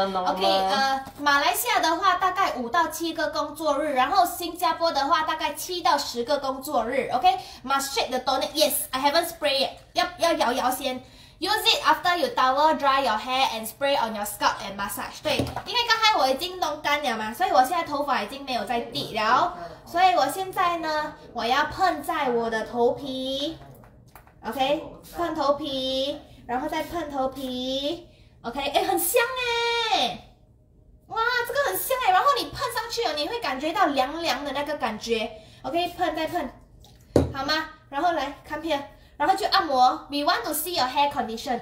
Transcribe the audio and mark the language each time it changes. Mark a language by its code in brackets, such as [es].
[zh] OK， 马来西亚的话大概5到7个工作日，然后新加坡的话大概7到10个工作日 ，OK， [en] must shake the tonic， yes， I haven't spray yet， [zh] 要摇摇先。 [en] Use it after you towel dry your hair and spray on your scalp and massage. [zh] 对，因为刚才我已经弄干了嘛，所以我现在头发已经没有在地了，所以我现在呢，我要喷在我的头皮 ，OK， 喷头皮，然后再喷头皮 ，OK， 哎，很香哎，哇，这个很香哎，然后你喷上去哦，你会感觉到凉凉的那个感觉 ，OK， 喷再喷，好吗？然后来看片。然后就按摩 [en] ，We want to see your hair condition.